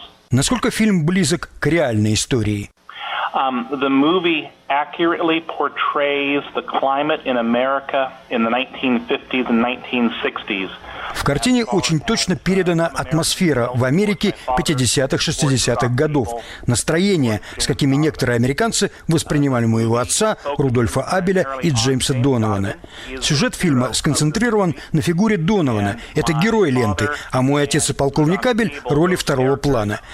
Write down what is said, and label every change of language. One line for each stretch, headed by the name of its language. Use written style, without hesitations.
Russian: Насколько фильм близок к реальной истории?
English: The movie accurately portrays the climate in America in the 1950s and 1960s.
Russian: В картине очень точно передана атмосфера в Америке 50-х-60-х годов. Настроение, с какими некоторые американцы воспринимали моего отца, Рудольфа Абеля и Джеймса Донована. Сюжет фильма сконцентрирован на фигуре Донована. Это герой ленты, а мой отец и полковник Абель – роли второго плана.